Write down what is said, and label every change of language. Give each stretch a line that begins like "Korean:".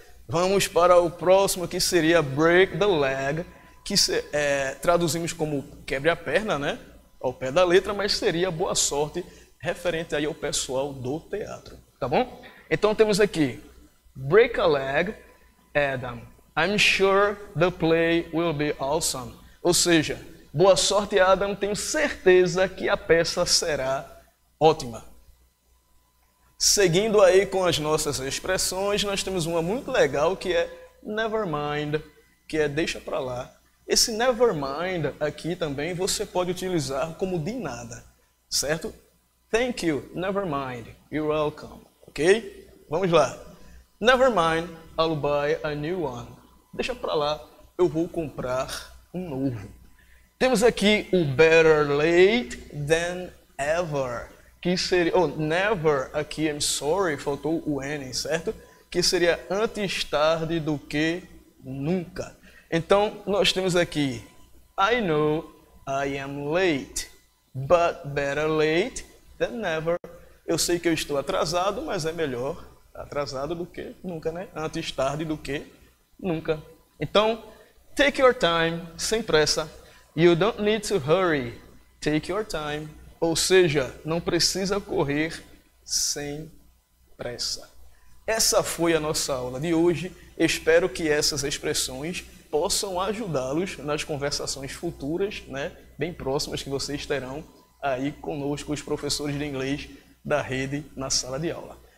Portuguese: Vamos para o próximo, que seria
English: break the leg,
Portuguese: que traduzimos como quebre a perna, né? Ao pé da letra, mas seria boa sorte referente aí ao pessoal do teatro. Tá bom? Então temos aqui,
English: break a leg, Adam. I'm sure the play will be awesome.
Portuguese: Ou seja, boa sorte, Adam. Tenho certeza que a peça será ótima. Seguindo aí com as nossas expressões, nós temos uma muito legal, que é
English: never mind,
Portuguese: que é deixa pra lá. Esse never mind aqui também você pode utilizar como de nada, certo?
English: Thank you, never mind, you're welcome, ok?
Portuguese: Vamos lá.
English: Never mind, I'll buy a new one.
Portuguese: Deixa pra lá, eu vou comprar um novo. Temos aqui o
English: better late than ever,
Portuguese: que seria, oh, never aqui,
English: I'm sorry,
Portuguese: faltou o N, certo? Que seria antes tarde do que nunca. Então, nós temos aqui,
English: I know I am late, but better late than never.
Portuguese: Eu sei que eu estou atrasado, mas é melhor atrasado do que nunca, né? Antes tarde do que nunca. Então,
English: take your time,
Portuguese: sem pressa.
English: You don't need to hurry, take your time.
Portuguese: Ou seja, não precisa correr sem pressa. Essa foi a nossa aula de hoje. Espero que essas expressões possam ajudá-los nas conversações futuras, né? Bem próximas que vocês terão aí conosco, os professores de inglês da rede na sala de aula.